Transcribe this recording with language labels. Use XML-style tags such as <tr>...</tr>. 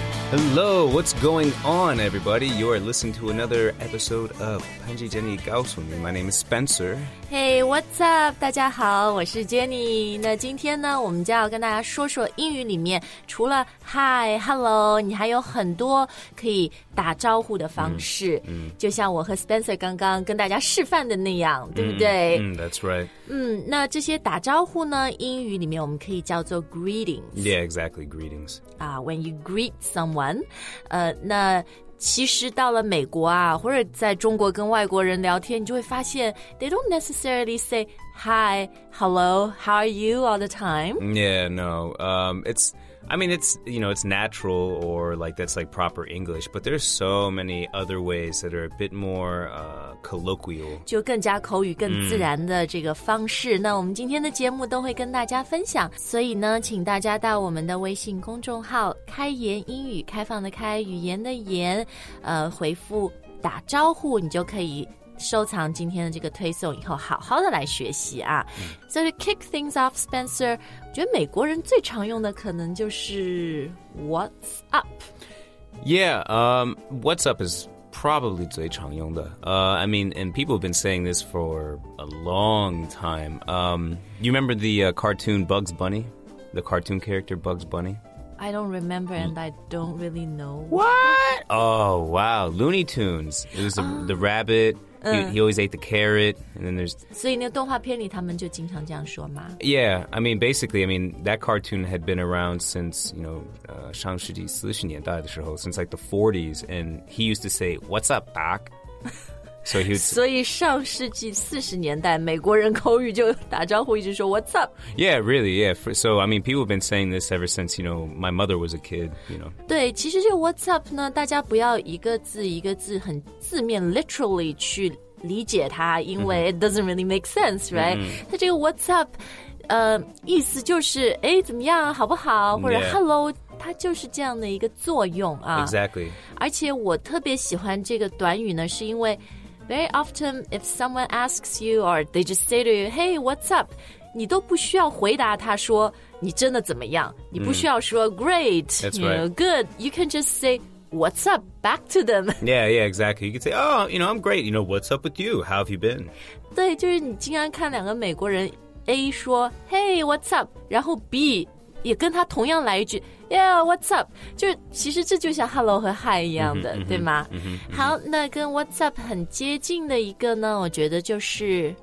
<en>Hello, what's going on, everybody? You are listening to another episode of 潘吉 Jenny 告诉你 My name is Spencer. Hey, what's up?</en> <zh>大家好，我是 Jenny. 那今天呢，我们就要跟大家说说英语里面除了 Hi, Hello, 你还有很多可以打招呼的方式。就像我和 Spencer 刚刚跟大家示范的那样，对不对？</zh> <en>That's right.</en> <zh>那这些打招呼呢，英语里面我们可以叫做 greetings.</zh> <en>Yeah, exactly, greetings. When you greet someone,</en> <zh>那其实到了美国啊，或者在中国跟外国人聊天，你就会发现</zh> <en>they don't necessarily say hi, hello, how are you all the time. Yeah, no. It's natural or like that's like proper English, but there's so many other ways that are a bit more colloquial.</en> <zh>就更加口语更自然的这个方式。那我们今天的节目都会跟大家分享。所以呢请大家到我们的微信公众号开言英语开放的开语言的言回复打招呼你就可以收藏今天的这个推送以后好好的来学习啊。</zh> <en>So to kick things off,</en> <zh>Spencer, 觉得美国人最常用的可能就是 What's up?</zh> <en>Yeah, what's up is probably</en> <zh>最常用的。</zh> <en>And people have been saying this for a long time. You remember the cartoon Bugs Bunny? The cartoon character Bugs Bunny? I don't remember, and I don't really know. What? Oh, wow. Looney Tunes. It was the rabbit. He always ate the carrot. And then there's...</en> <zh>所以那动画片里他们就经常这样说吗</zh> <en>Yeah. That cartoon had been around since, Shang Shiji</en> <zh>四十年代的时候,</zh> <en>since like the 40s. And he used to say, what's up, Doc? So he would...</en> <zh>所以上世纪四十年代美国人口语就打招呼一直说 What's up?</zh> <en>Yeah, really, yeah. So people have been saying this ever since, my mother was a kid,</en> <zh>对,其实这 What's up 呢,大家不要一个字一个字很字面 literally 去理解它,因为</zh> <en>it doesn't really make sense, right?</en> <zh>它这个 What's up, 意思就是,诶,怎么样,好不好? 或者 Hello,它就是这样的一个作用啊。</zh> <en>Exactly.</en> <zh>而且我特别喜欢这个短语呢,是因为</zh> <en>Very often, if someone asks you, or they just say to you, hey, what's up?</en> <zh>你都不需要回答他说你真的怎么样。你不需要说 great, good.</zh> <en>You can just say, what's up, back to them. Yeah, exactly. You can say, oh, I'm great. What's up with you? How have you been?</en> <zh>对,就是你经常看两个美国人 A 说</zh> <en>hey, what's up?</en> <zh>然后 B 也跟他同样来一句</zh> <en>yeah, what's up?</en> <zh>就其实这就像 hello 和 hi 一样的、对吗、好那跟 what's up 很接近的一个呢我觉得就是、</zh>